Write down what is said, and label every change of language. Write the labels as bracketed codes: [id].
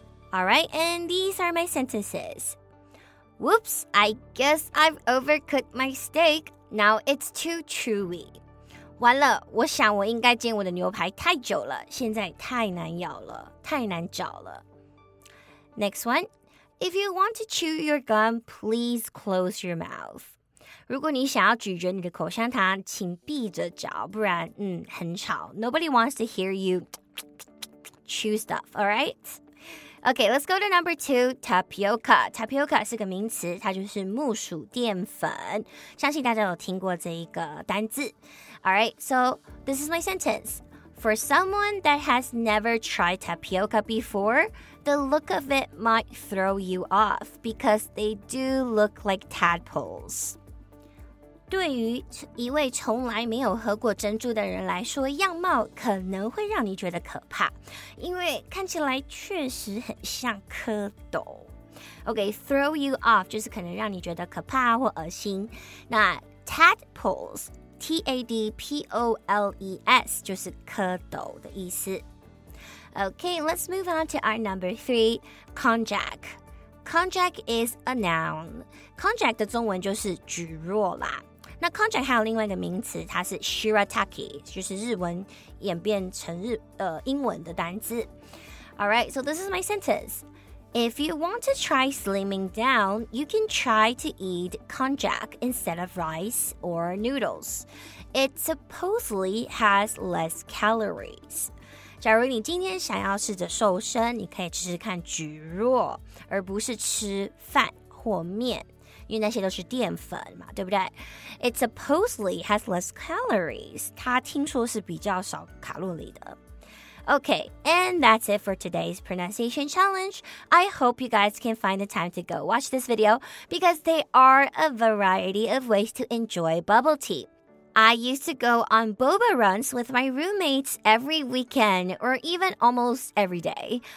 [en] Alright, and these are my sentences. Whoops, I guess I've overcooked my steak. Now it's too chewy. [zh] 完了，我想我应该煎我的牛排太久了，现在太难咬了，太难嚼了。 [en] Next one. If you want to chew your gum, please close your mouth. 如果你想要咀嚼你的口香糖，请闭着嚼，不然，很吵。 Nobody wants to hear you chew stuff, alright? Okay, let's go to number two, tapioca. Tapioca [zh] 是个名词，它就是木薯淀粉。相信大家有听过这一个单字。 [en] All right, so this is my sentence. For someone that has never tried tapioca before, the look of it might throw you off because they do look like tadpoles. [zh] 对于一位从来没有喝过珍珠的人来说，样貌可能会让你觉得可怕，因为看起来确实很像蝌蚪。 Okay, [en] throw you off [zh] 就是可能让你觉得可怕或恶心。那 tadpoles, T-A-D-P-O-L-E-S 就是蝌蚪的意思。 [en] Okay, let's move on to our number three, konjac. Konjac is a noun. Konjac [zh] 的中文就是蒟蒻啦。那 Konjac 还有另外一个名词，它是 Shirataki， 就是日文演变成英文的单字。 [en] All right, so this is my sentence. If you want to try slimming down, you can try to eat konjac instead of rice or noodles. It supposedly has less calories. [zh] 假如你今天想要试着瘦身，你可以试试看蒟蒻，而不是吃饭或面。因为那些都是淀粉嘛，对不对？ [en] It supposedly has less calories. [zh] 它听说是比较少卡路里的。 [en] Okay, and that's it for today's pronunciation challenge. I hope you guys can find the time to go watch this video because there are a variety of ways to enjoy bubble tea. I used to go on boba runs with my roommates every weekend or even almost every day.